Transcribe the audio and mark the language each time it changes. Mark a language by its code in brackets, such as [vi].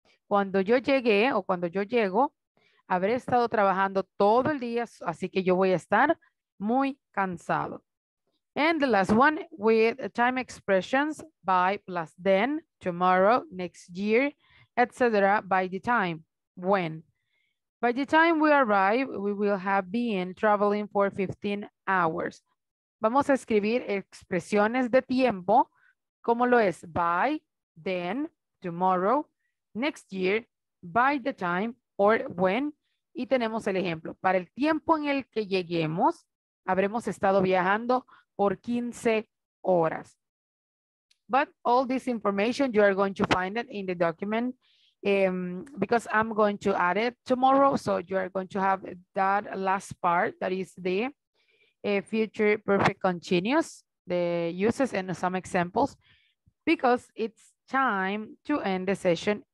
[es] Cuando yo llegué o cuando yo llego, habré estado trabajando todo el día, así que yo voy a estar muy cansado. [en] And the last one, with time expressions, by, plus then, tomorrow, next year, etc., by the time, when. By the time we arrive, we will have been traveling for 15 hours. [es] Vamos a escribir expresiones de tiempo, como lo es [en] by, then, tomorrow, next year, by the time, or when, [es] y tenemos el ejemplo. Para el tiempo en el que lleguemos, habremos estado viajando por 15 horas. [en] But all this information, you are going to find it in the document because I'm going to add it tomorrow. So you are going to have that last part, that is the future perfect continuous, the uses and some examples, because it's time to end the session.